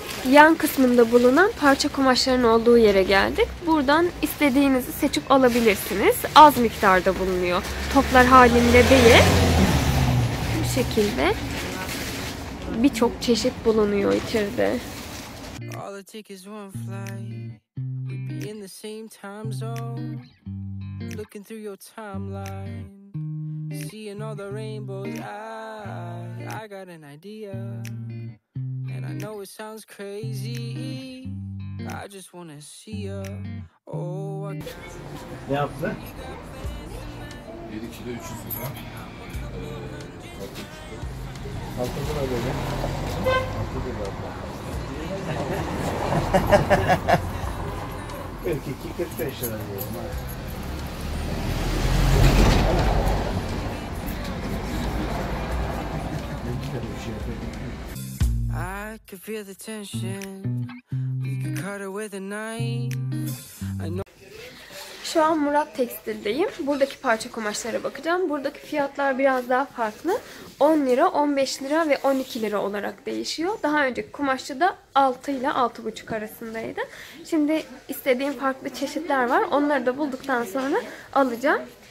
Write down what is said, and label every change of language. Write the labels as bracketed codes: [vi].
[tr] Yan kısmında bulunan parça kumaşların olduğu yere geldik. Buradan istediğinizi seçip alabilirsiniz. Az miktarda bulunuyor. Toplar halinde değil. Bu şekilde birçok çeşit bulunuyor içeride. [en] All it takes is one fly. We be in the same time zone. Looking through your timeline. Seeing all the rainbows. I got an idea. I know it sounds crazy. I just wanna see ya. Oh, what? [tr] Ne yaptı? 7 kilo 300 lira. 6 lira böyle. 6 lira abla. 42, 45 lira diyorum. Ne kadar bir şey yapayım? [en] I could feel the tension. We could cut it with a knife. I know. [tr] Şu an Murat Tekstil'deyim. Buradaki parça kumaşlara bakacağım. Buradaki fiyatlar biraz daha farklı. 10 lira, 15 lira ve 12 lira olarak değişiyor. Daha önceki kumaşçı da 6 ile 6,5 arasındaydı. Şimdi istediğim farklı çeşitler var. Onları da bulduktan sonra alacağım.